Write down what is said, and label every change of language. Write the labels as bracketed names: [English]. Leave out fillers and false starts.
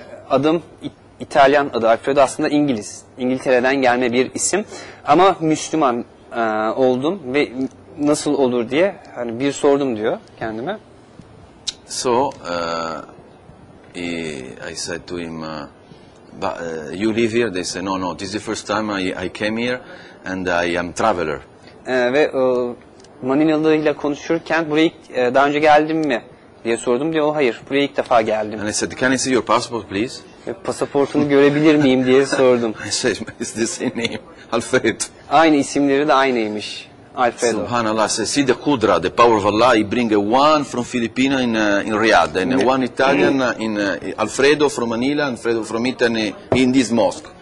[Turkish] Adım İtalyan adı Alfredo, aslında İngiliz. İngiltere'den gelme bir isim. Ama Müslüman oldum ve nasıl olur diye hani bir sordum diyor kendime. [English] So I said to him, but you live here? They said, no, this is the first time I came here and I am traveler. [Turkish] Ve Manila'lı ile konuşurken buraya daha önce geldim mi diye sordum. Diyor, hayır, buraya ilk defa geldim. [English] And I said, can I see your passport please? [Turkish] Pasaportunu görebilir miyim diye sordum. [English] I said, is this your name? Alfredo. [Turkish] Aynı isimleri de aynıymış. Alfredo. [Arabic] Subhanallah. [English] So, see the kudra, the power of Allah, he bring one from Filipino in Riyadh, and one Italian in Alfredo from Manila, and Alfredo from Italy in this mosque.